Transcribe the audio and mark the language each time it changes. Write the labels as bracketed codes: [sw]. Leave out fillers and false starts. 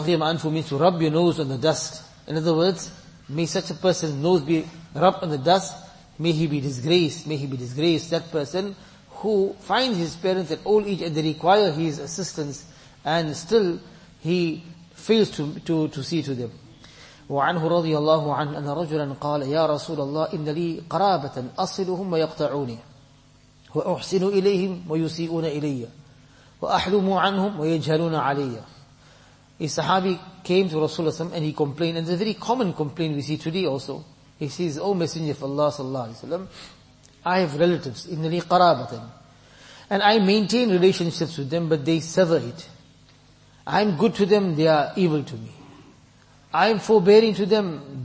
[en] Raghima anfu means to rub your nose on the dust. In other words, may such a person's nose be rubbed on the dust, may he be disgraced, may he be disgraced. That person who finds his parents at old age and they require his assistance and still he fails to see to them. [ar] وعنه رضي الله عنه أن رجلا قال يا رسول الله إن لي قرابة أصلهم ويقطعوني وأحسن إليهم ويسيئون إلي وأحلم عنهم ويجهلون علي. [en] A Sahabi came to Rasulullah and he complained, and it's a very common complaint we see today also. He says, O Messenger of Allah sallallahu alaihi wasallam, I have relatives, [ar] إن لي قرابة, [en] and I maintain relationships with them, but they sever it. I'm good to them, they are evil to me. I am forbearing to them.